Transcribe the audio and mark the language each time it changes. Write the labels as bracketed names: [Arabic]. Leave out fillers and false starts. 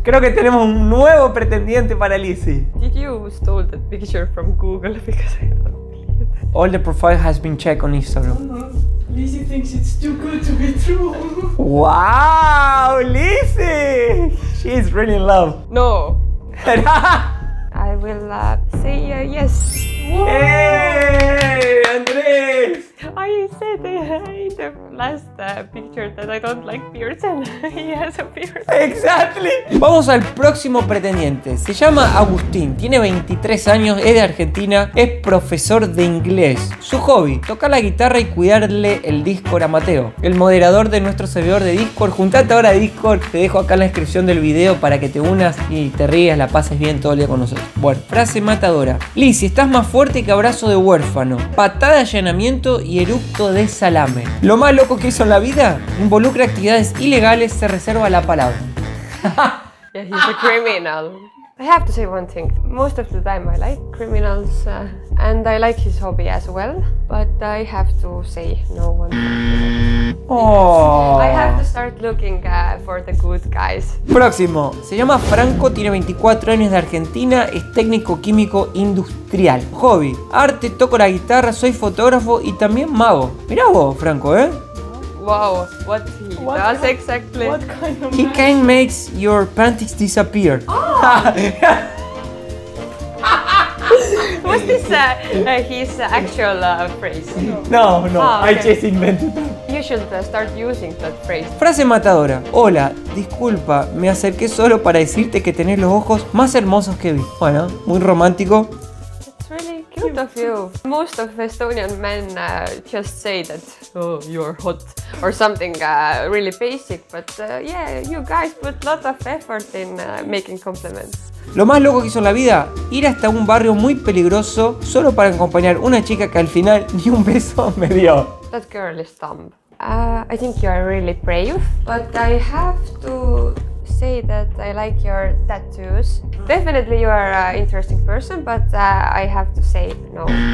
[Spanish] Creo que tenemos un nuevo pretendiente para Lizzie. [English] Did you stole that picture from Google? Because I don't believe it. All the profile has been checked on Instagram. Lizzie thinks it's too good to be true. Wow, Lizzie! She's really in love. No. I will say yes. Whoa. Hey, Andrés! I said in the last picture that I don't like beards and he has a beard. Exactly! [Spanish] Vamos al próximo pretendiente. Se llama Agustín, tiene 23 años, es de Argentina, es profesor de inglés. Su hobby: tocar la guitarra y cuidarle el Discord a Mateo, el moderador de nuestro servidor de Discord. Juntate ahora a Discord, te dejo acá en la descripción del video para que te unas y te rías, la pases bien todo el día con nosotros. Bueno, frase matadora: Liz, estás más fuerte que abrazo de huérfano, patada de allanamiento y eructo de salame. Lo más loco que hizo en la vida: involucra actividades ilegales, se reserva la palabra. [English] Yeah, he's a criminal. I have to say one thing. Most of the time I like criminals and I like his hobby as well, but I have to say no one. Oh. I have to start looking for the good guys. [Spanish] Próximo. Se llama Franco, tiene 24 años, de Argentina, es técnico químico industrial. Hobby: arte, toco la guitarra, soy fotógrafo y también mago. Mirá vos, Franco, ¿eh? [English] Wow, what he what does kind, exactly? What kind of he can makes your panties disappear. Oh. is this his actual phrase? No. Oh, okay. I just invented that. You should start using that phrase. [Spanish] Frase matadora. Hola, disculpa, me acerqué solo para decirte que tenés los ojos más hermosos que vi. Bueno, muy romántico. [English] Of you. Most of Estonian men just say that, oh, you're hot, or something really basic, but yeah, you guys put a lot of effort in making compliments. [Spanish] Lo más loco que hizo en la vida, ir hasta un barrio muy peligroso solo para acompañar una chica que al final ni un beso me dio. [English] That girl is dumb. I think you are really brave, but I have to say that I like your tattoos. Definitely you are an interesting person, but I have to say no.